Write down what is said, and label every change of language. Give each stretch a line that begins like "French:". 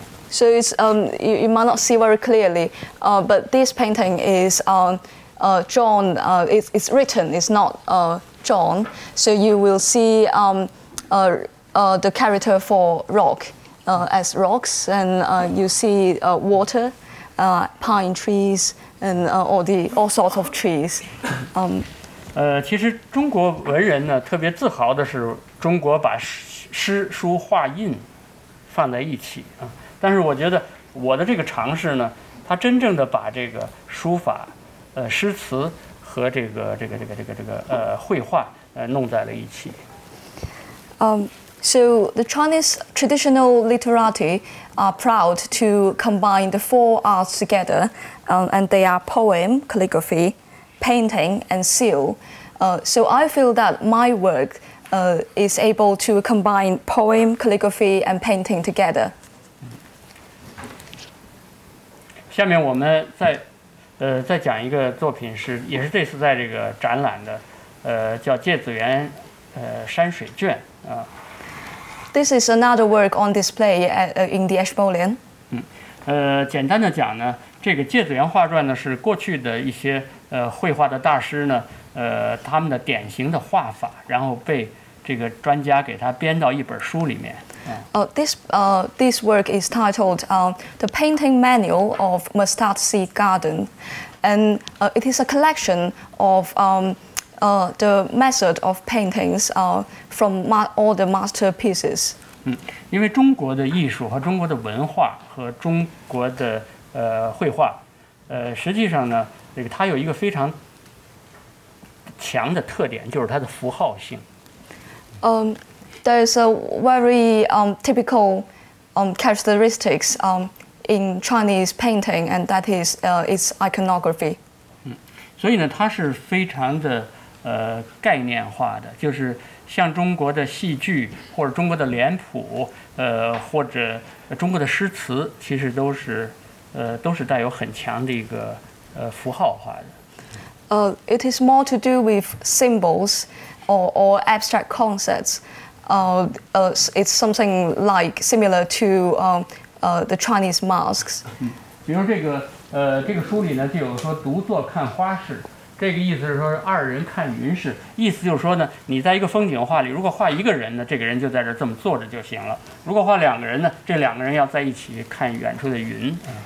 English: So it's you might not see very clearly, but this painting is drawn. It's written. It's not drawn. So you will see the character for rock as rocks, and you see water, pine trees, and all sorts of trees.
Chinese: 其实中国文人呢特别自豪的是中国把诗书画印放在一起啊。但是我觉得我的这个尝试呢，它真正的把这个书法、诗词和这个绘画弄在了一起。
English: So the Chinese traditional literati are proud to combine the four arts together, and they are poem, calligraphy, painting, and seal. So I feel that my work is able to combine poem, calligraphy, and painting together.
Chinese: 下面我们再讲一个作品是也是这次在这个展览的，叫《芥子园山水卷》啊。
English: This is another work on display at, in the Ashmolean.
Chinese: 简单的讲呢，这个《芥子园画传》呢是过去的一些绘画的大师呢，他们的典型的画法，然后被这个专家给他编到一本书里面。
English: This work is titled The Painting Manual of Mustard Seed Garden, and it is a collection of the method of paintings from all the masterpieces.
Chinese: 因为中国的艺术和中国的文化和中国的绘画，实际上呢，这个它有一个非常强的特点，就是它的符号性。
English: There is a very typical characteristics in Chinese painting, and that is its iconography.
Chinese: 所以呢，它是非常的概念化的，就是像中国的戏剧或者中国的脸谱，或者中国的诗词，其实都是带有很强的一个符号化的。
English: It is more to do with symbols or abstract concepts. It's something like similar to the Chinese masks.
Chinese: 比如这个书里呢，就有说独坐看花市。这个意思是说二人看云是，意思就是说呢，你在一个风景画里如果画一个人呢，这个人就在这这么坐着就行了，如果画两个人呢，这两个人要在一起看远处的云。